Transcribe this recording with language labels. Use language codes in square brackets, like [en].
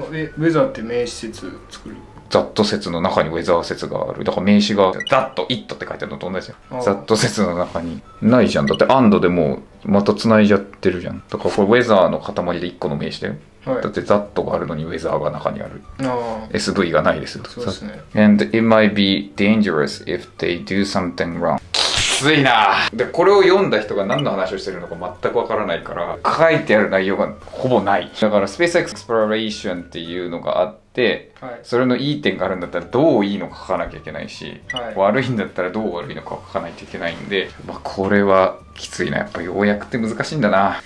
[ja] まあ、ウェザーって名詞説作る。ザット説の中にウェザー説がある。だから名詞がザット、イットって書いてあるのと同じじゃん。ザット説の中にないじゃん。だってアンドでもうまた繋いじゃってるじゃん。だからこれウェザーの塊で一個の名詞だよ。はい、だってザットがあるのにウェザーが中にある。あ、 SV がないですよ。そうですね。 [en] And it might be dangerous if they do something wrong. [ja] きついな。で、これを読んだ人が何の話をしてるのか全くわからないから、書いてある内容がほぼない。だから Space Exploration っていうのがあって、で、はい、それのいい点があるんだったらどういいのか書かなきゃいけないし、はい、悪いんだったらどう悪いのか書かないといけないんで、まあ、これはきついな。やっぱようやくって難しいんだな。